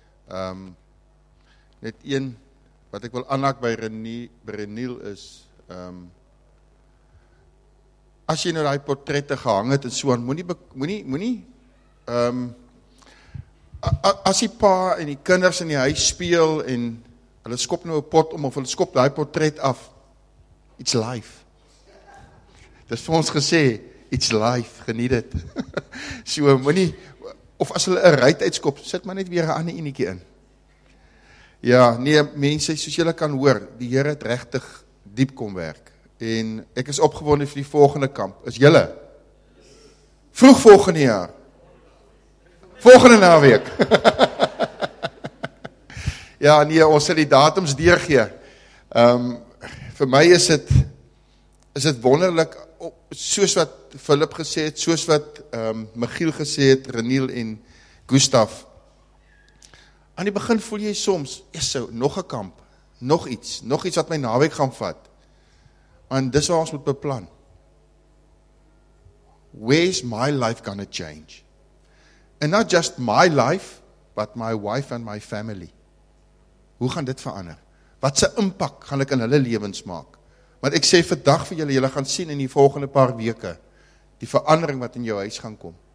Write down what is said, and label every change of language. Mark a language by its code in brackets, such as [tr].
[af] Net een, wat ek wil aanhaak by Reniel is, as jy nou die portrette gehang het en so, as die pa en die kinders in die huis speel en hulle skop nou een pot om of hulle skop die portret af, [en] it's life. [af] Dit is vir ons gesê, [en] it's life, [af] geniet het. So, moenie, of as hulle een ruit uitskop, sit maar net weer een ander eniekie in. Ja, nee, mense, soos julle kan hoor, die Here het regtig diep kom werk. En ek is opgewonde vir die volgende kamp, is julle. Vroeg volgende jaar. Volgende naweek. Ja, nee, ons sal die datums deurgee. Vir my is het wonderlik, soos wat Philip gesê het, soos wat Michiel gesê het, Reniel en Gustav. Aan die begin voel jy soms, is so, nog een kamp, nog iets wat my naweek gaan vat. En dis wat ons moet beplan. [en] Where's my life gonna change? And not just my life, but my wife and my family. [af] Hoe gaan dit verander? Wat se impak gaan ek in hulle lewens maak? Want ek sê vandag vir julle, julle gaan sien in die volgende paar weke, die verandering wat in jou huis gaan kom.